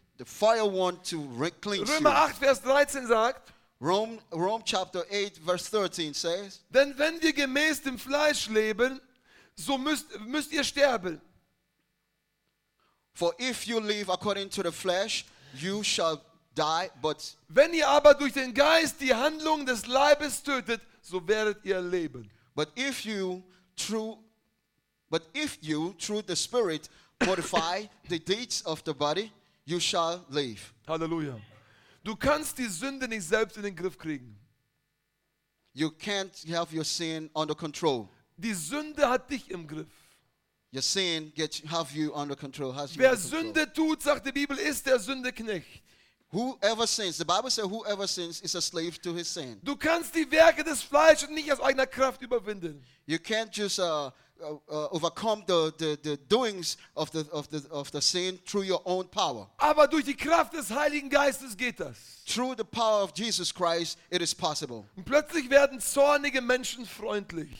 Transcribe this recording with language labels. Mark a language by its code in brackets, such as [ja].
[en] The fire want to clean you. [de] Römer 8, Vers 13 sagt, [en] Rome chapter 8, verse 13 says, [de] denn wenn wir gemäß dem Fleisch leben, so müsst ihr sterben. [en] For if you live according to the flesh, you shall die, but [de] wenn ihr aber durch den Geist die Handlung des Leibes tötet, so werdet ihr leben. [en] But if you through the Spirit mortify the deeds of the body, you shall live. Halleluja. [de] Du kannst die Sünde nicht selbst in den Griff kriegen. [en] You can't have your sin under control. [de] Die Sünde hat dich im Griff. [en] Your sin have you under control. [de] Wer Sünde tut, sagt die Bibel, ist der Sündeknecht. [en] Whoever sins, the Bible says, whoever sins is a slave to his sin. [de] Du kannst die Werke des Fleisches nicht aus eigener Kraft überwinden. [en] You can't just overcome the doings of the sin through your own power. [de] Aber durch die Kraft des Heiligen Geistes geht das. [en] Through the power of Jesus Christ, it is possible. [de] Und plötzlich werden zornige Menschen freundlich.